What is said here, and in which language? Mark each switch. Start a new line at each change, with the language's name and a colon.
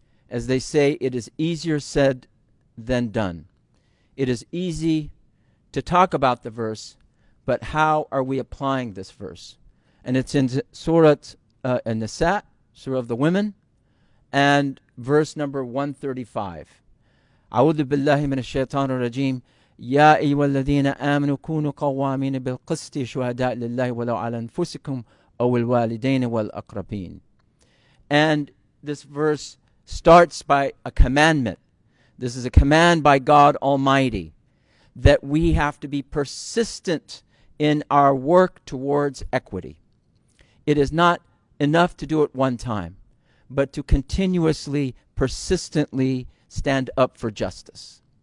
English: As they say, it is easier said than done. It is easy to talk about the verse, but how are we applying this verse? And it's in Surah An-Nisa, Surah of the Women, and verse number 135.
Arabic: أعوذ بالله من الشيطان الرجيم يا أيها الذين آمنوا كونوا قوامين بالقسط شهداء لله ولو على أنفسكم أو الوالدين والأقربين.
English: And this verse starts by a commandment. This is a command by God Almighty that we have to be persistent in our work towards equity. It is not enough to do it one time, but to continuously, persistently stand up for justice.